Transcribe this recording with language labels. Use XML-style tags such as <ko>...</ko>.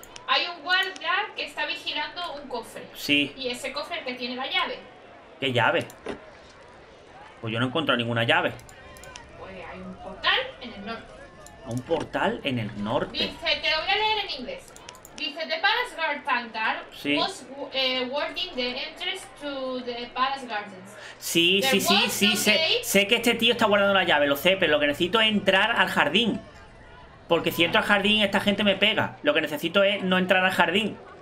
<es>Hay un guardia que está vigilando un cofre. Sí. Y ese cofre es el que tiene la llave. ¿Qué llave? Pues yo no encuentro ninguna llave. Pues hay un portal en el norte. ¿Un portal en el norte? Dice, te lo voy a leer en inglés. Dice,</es> <en>the palace guard Tantar</en> <es>sí.</es> <en>Was warding the entrance to the palace gardens.</en> <es>Sí, there sí, sí, sí, gate... sé que este tío está guardando la llave, lo sé, pero lo que necesito es entrar al jardín. Porque si entro al jardín, esta gente me pega. Lo que necesito es no entrar al jardín.</es>